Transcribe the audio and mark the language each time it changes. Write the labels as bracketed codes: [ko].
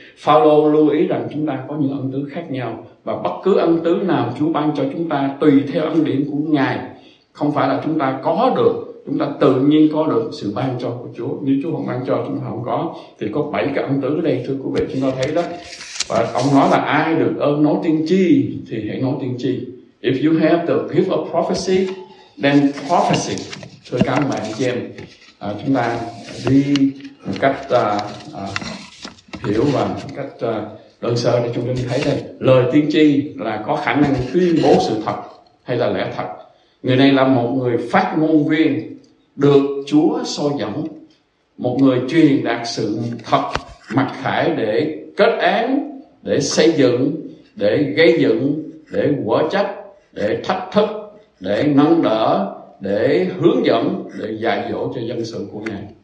[vi] Phao-lô lưu ý rằng chúng ta có những ân tứ khác nhau. Và bất cứ ân tứ nào Chúa ban cho chúng ta tùy theo ân điển của Ngài. Không phải là chúng ta có được. Chúng ta tự nhiên có được sự ban cho của Chúa. Nếu Chúa không ban cho, chúng ta không có. Thì có 7 cái ân tứ ở đây, thưa quý vị, chúng ta thấy đó. Và ông nói là ai được ơn nói tiên tri thì hãy nói tiên tri. [en] If you have the gift of prophecy, then prophecy. [vi] Thưa các bạn chị em, chúng ta đi một cách hiểu và một cách đơn sơ để chúng ta thấy đây. Lời tiên tri là có khả năng tuyên bố sự thật hay là lẽ thật. Người này là một người phát ngôn viên được Chúa soi dẫn, một người truyền đạt sự thật mặc khải để kết án, để xây dựng, để gây dựng, để quở trách, để thách thức, để nâng đỡ, để hướng dẫn, để dạy dỗ cho dân sự của Ngài.